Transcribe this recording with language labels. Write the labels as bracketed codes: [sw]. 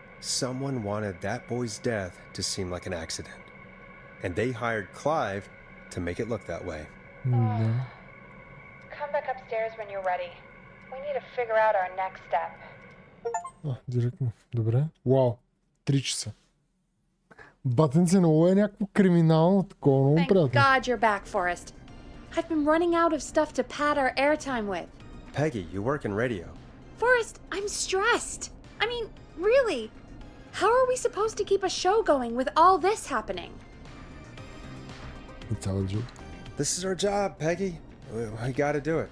[en] Someone wanted that boy's death to seem like an accident. And they hired Clive to make it look that way. Mm-hmm. Come back upstairs when you're ready. We need to figure out our next step. [bg] Директно. Добре. Вау. 3 часа. Батенце, ново е някакво криминално такова, много приятно. [en] Thank God you're back, Forrest. I've been running out of stuff to pad our airtime with. Peggy, you work in radio. Forrest, I'm stressed. I mean, really. How are we supposed to keep a show going with all this happening? This is our job, Peggy. We gotta do it.